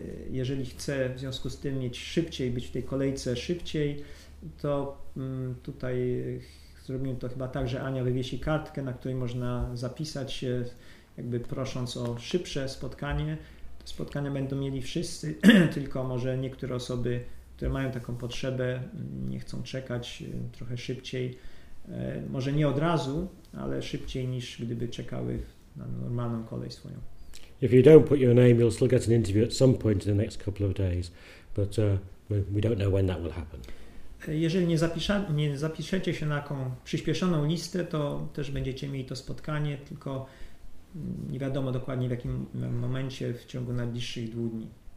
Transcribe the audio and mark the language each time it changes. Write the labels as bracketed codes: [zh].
[pl] Jeżeli chce w związku z tym mieć szybciej, być w tej kolejce szybciej, to tutaj zrobimy to chyba tak, że Ania wywiesi kartkę, na której można zapisać się, jakby prosząc o szybsze spotkanie. Te spotkania będą mieli wszyscy, tylko może niektóre osoby, które mają taką potrzebę, nie chcą czekać trochę szybciej, może nie od razu, ale szybciej niż gdyby czekały na normalną kolej swoją. [en] If you don't put your name, you'll still get an interview at some point in the next couple of days, but we don't know when that will happen. [pl] Jeżeli nie zapiszecie się na taką przyspieszoną listę, to też będziecie mieli to spotkanie, tylko nie wiadomo dokładnie w jakim momencie w ciągu najbliższych dwóch dni.